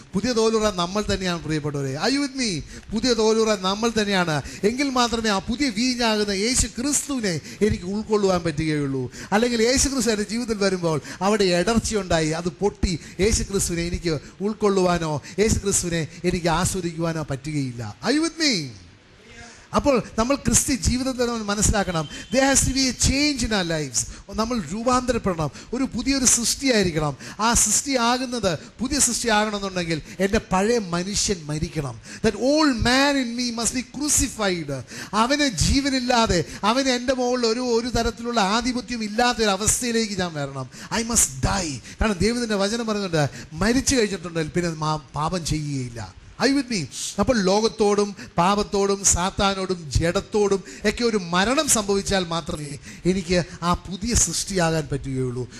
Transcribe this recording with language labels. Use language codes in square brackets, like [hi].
[ml] പുതിയ തോലുറ നമ്മൾ തന്നെയാണ് പ്രിയപ്പെട്ടവരെ. [en] Are you with me? [ml] പുതിയ തോലുറ നമ്മൾ തന്നെയാണ് എങ്കിൽ മാത്രമേ ആ പുതിയ വീഞ്ഞാകുന്ന യേശു ക്രിസ്തുവിനെ എനിക്ക് ഉൾക്കൊള്ളുവാൻ പറ്റുകയുള്ളൂ. അല്ലെങ്കിൽ യേശു ക്രിസ്തു എൻ്റെ ജീവിതത്തിൽ വരുമ്പോൾ അവിടെ ഇടർച്ചയുണ്ടായി, അത് പൊട്ടി യേശു ക്രിസ്തുവിനെ എനിക്ക് ഉൾക്കൊള്ളുവാനോ യേശു ക്രിസ്തുവിനെ എനിക്ക് ആസ്വദിക്കുവാനോ പറ്റുകയില്ല. [en] Are you with me? [ml] അപ്പോൾ നമ്മൾ ക്രിസ്ത്യ ജീവിതത്തിൽ നമ്മൾ മനസ്സിലാക്കണം, [en] there has to be a change in our lives. [ml] നമ്മൾ രൂപാന്തരപ്പെടണം, ഒരു പുതിയൊരു സൃഷ്ടിയായിരിക്കണം. ആ സൃഷ്ടിയാകുന്നത് പുതിയ സൃഷ്ടിയാകണമെന്നുണ്ടെങ്കിൽ എൻ്റെ പഴയ മനുഷ്യൻ മരിക്കണം. [en] That old man in me must be crucified. [ml] അവന് ജീവനില്ലാതെ, അവന് എൻ്റെ മുകളിൽ ഒരു തരത്തിലുള്ള ആധിപത്യം ഇല്ലാത്തൊരു അവസ്ഥയിലേക്ക് ഞാൻ വരണം. [en] I must die. [ml] കാരണം ദൈവത്തിൻ്റെ വചനം പറയുന്നുണ്ട്, മരിച്ചു കഴിഞ്ഞിട്ടുണ്ടെങ്കിൽ പിന്നെ പാപം ചെയ്യുകയില്ല. [en] I with me? [ml] അപ്പോൾ ലോകത്തോടും പാപത്തോടും സാത്താനോടും ജഡത്തോടും ഒക്കെ ഒരു മരണം സംഭവിച്ചാൽ മാത്രമേ എനിക്ക് ആ പുതിയ സൃഷ്ടിയാകാൻ പറ്റുകയുള്ളൂ.